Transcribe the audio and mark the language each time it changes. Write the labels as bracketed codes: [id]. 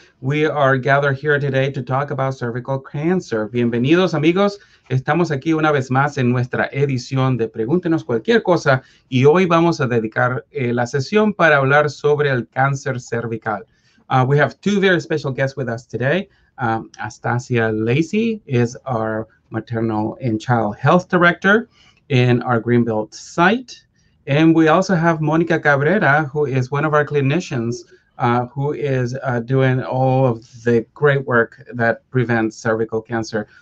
[en] We are gathered here today to talk about cervical cancer. [es] Bienvenidos, amigos. Estamos aquí una vez más en nuestra edición de Pregúntenos Cualquier Cosa. Y hoy vamos a dedicar la sesión para hablar sobre el cáncer cervical. [en] We have two very special guests with us today. Aastasshia Lacy is our maternal and child health director in our Greenbelt site. And we also have Monica Cabrera, who is one of our clinicians, who is doing all of the great work that prevents cervical cancer.